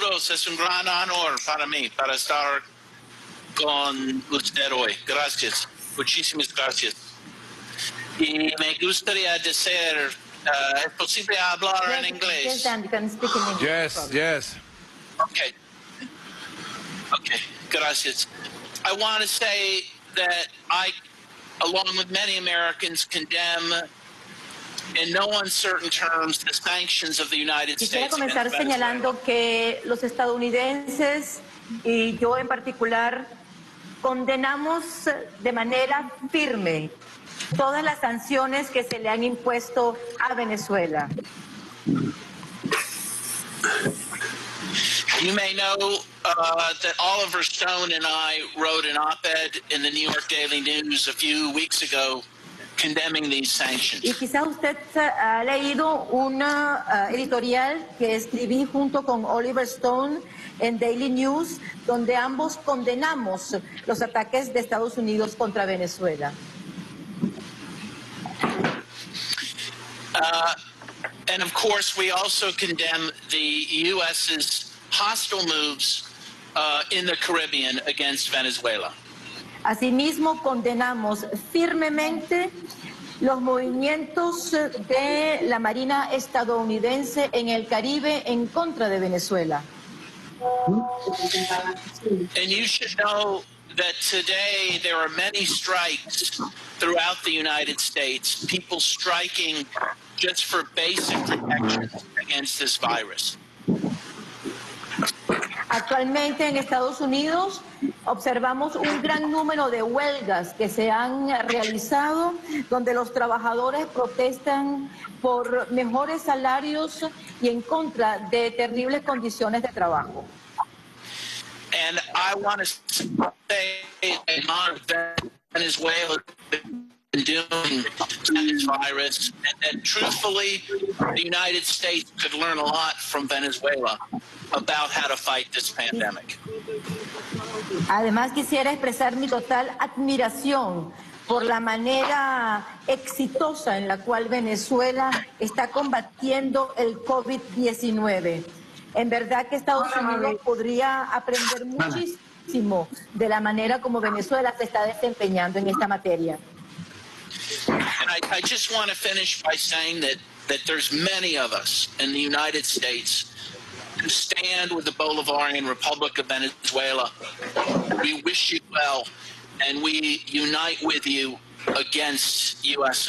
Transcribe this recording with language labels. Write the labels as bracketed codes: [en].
[es] Es un gran honor para mí, para estar con usted hoy. Gracias. Muchísimas gracias. Y me gustaría decir, ¿es posible hablar en inglés? [en] Yes, Dan, you can speak in English. Yes, yes. [es] Okay, gracias. [en] I want to say that I, along with many Americans, condemn in no uncertain terms the sanctions of the United States. [es] Quisiera comenzar señalando que los estadounidenses y yo en particular condenamos de manera firme todas las sanciones que se le han impuesto a Venezuela. [en] You may know that Oliver Stone and I wrote an op-ed in the New York Daily News a few weeks ago condemning these sanctions. [es] Y quizá usted ha leído una editorial que escribí junto con Oliver Stone en Daily News, donde ambos condenamos los ataques de Estados Unidos contra Venezuela. [en] And of course, we also condemn the U.S.'s hostile moves in the Caribbean against Venezuela. [es] Asimismo, condenamos firmemente los movimientos de la Marina estadounidense en el Caribe en contra de Venezuela. [en] And you should know that today there are many strikes throughout the United States, people striking just for basic protection against this virus. [es] Actualmente en Estados Unidos observamos un gran número de huelgas que se han realizado, donde los trabajadores protestan por mejores salarios y en contra de terribles condiciones de trabajo. [en] And I want to say a lot that Venezuela has been doing this virus, and that truthfully, the United States could learn a lot from Venezuela about how to fight this pandemic. [es] Además, quisiera expresar mi total admiración por la manera exitosa en la cual Venezuela está combatiendo el COVID-19. En verdad que Estados Unidos podría aprender muchísimo de la manera como Venezuela se está desempeñando en esta materia. [en] And I just want to finish by saying that there's many of us in the United States who stand with the Bolivarian Republic of Venezuela. We wish you well, and we unite with you against U.S.